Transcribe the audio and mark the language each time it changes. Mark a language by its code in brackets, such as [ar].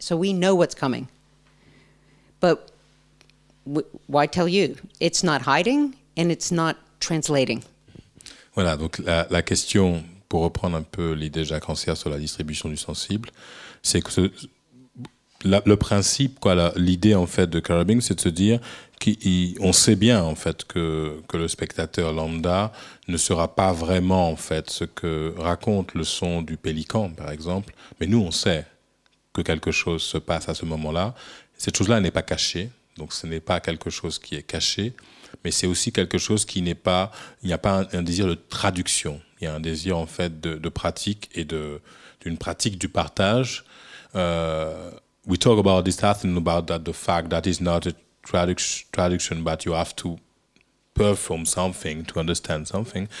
[en] So we know what's coming. But why tell you? It's not hiding and it's not translating. [fr] Voilà, donc la question, pour reprendre un peu l'idée de Jacques Rancière sur la distribution du sensible, c'est que le principe, quoi, l'idée en fait de Carabing, c'est de se dire qu'on sait bien en fait que le spectateur lambda ne sera pas vraiment en fait ce que raconte le son du pélican, par exemple. Mais nous, on sait que quelque chose se passe à ce moment-là. Cette chose-là n'est pas cachée, donc ce n'est pas quelque chose qui est caché, mais c'est aussi quelque chose qui n'est pas. Il n'y a pas un désir de traduction. Il y a un désir en fait de pratique et d'une pratique du partage. [en] We talk about this often about that the fact that is not a traduction, but you have to perform something to understand something.